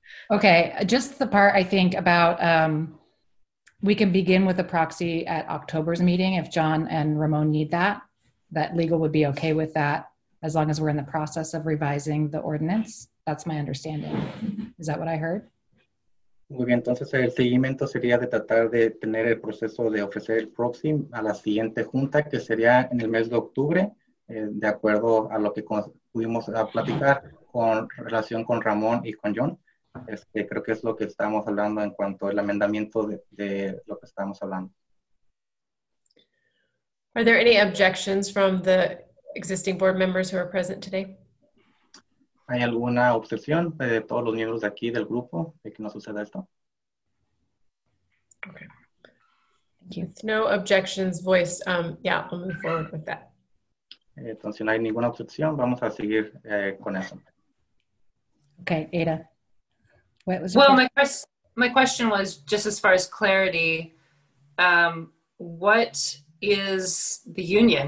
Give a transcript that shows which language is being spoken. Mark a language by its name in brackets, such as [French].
[English] Okay, just the part I think about we can begin with a proxy at October's meeting if John and Ramon need that, that legal would be okay with that as long as we're in the process of revising the ordinance. That's my understanding. Is that what I heard? [Spanish] Muy bien, entonces el seguimiento sería de tratar de tener el proceso de ofrecer el proxy a la siguiente junta que sería en el mes de octubre, de acuerdo a lo que pudimos platicar con relación con Ramón y con John, Creo que es lo que estamos hablando en cuanto al amendamiento de lo que estamos hablando. [English] Are there any objections from the existing board members who are present today? [Spanish] ¿Hay alguna objeción de todos los miembros de aquí del grupo de que no suceda esto? [English] Okay. Thank you. No objections voiced. Yeah, I'll move forward with that. [Spanish] Entonces, si no hay ninguna objeción, vamos a seguir con eso. [English] Okay, Ada. Well, my question was, just as far as clarity, what is the union?